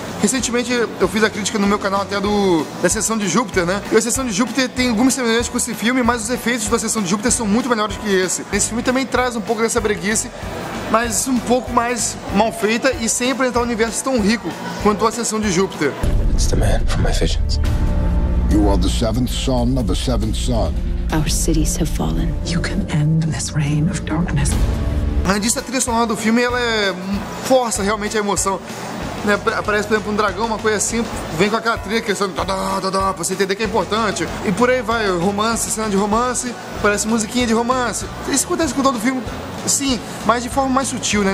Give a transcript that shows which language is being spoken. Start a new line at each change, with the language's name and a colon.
Portuguese: Recentemente eu fiz a crítica no meu canal até da Sessão de Júpiter, né? E a Sessão de Júpiter tem algumas semelhanças com esse filme, mas os efeitos da Sessão de Júpiter são muito melhores que esse. Esse filme também traz um pouco dessa breguice, mas um pouco mais mal feita e sem apresentar um universo tão rico quanto a Sessão de Júpiter.
English: It's the man from my visions. You are the seventh son of the seventh son. Our cities have fallen. You can end this reign of darkness.
Portuguese: Além disso, a trilha sonora do filme, ela força realmente a emoção. Né, aparece, por exemplo, um dragão, uma coisa assim, vem com aquela trilha, pra você entender que é importante. E por aí vai, romance, cena de romance, parece musiquinha de romance. Isso acontece com todo o filme, sim, mas de forma mais sutil, né?